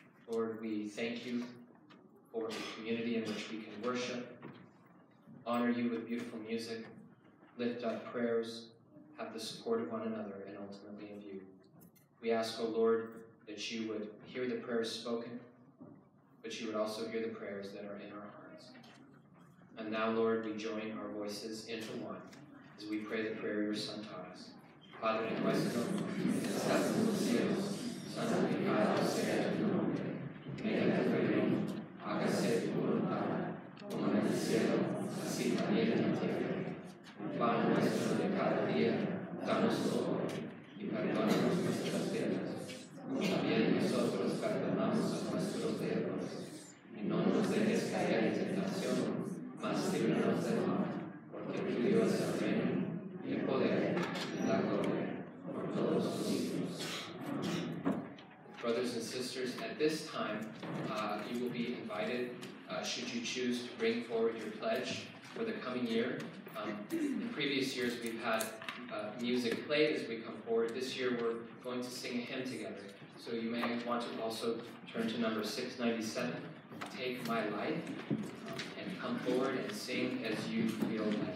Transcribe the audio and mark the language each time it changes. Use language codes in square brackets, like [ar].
[en] Lord, we thank you for the community in which we can worship, honor you with beautiful music, lift up prayers, have the support of one another, and ultimately of you. We ask, O Lord, that you would hear the prayers spoken, but you would also hear the prayers that are in our hearts. And now, Lord, we join our voices into one as we pray the prayer your Son taught us. [es] Padre nuestro, que estás en los cielos, santificado sea tu nombre. Venga tu reino, hágase tu voluntad, como en el cielo, así también en la tierra. El pan nuestro de cada día, danos hoy, y perdónanos nuestras deudas, como también nosotros perdonamos a nuestros deudores. Y no nos dejes caer en tentación, mas líbranos del mal, porque tuyo es el reino, y el poder, y la gloria, por todos los siglos. [en] Brothers and sisters, at this time, you will be invited, should you choose to bring forward your pledge for the coming year. In previous years, we've had music played as we come forward. This year, we're going to sing a hymn together. So you may want to also turn to number 697, Take My Life, and come forward and sing as you feel led.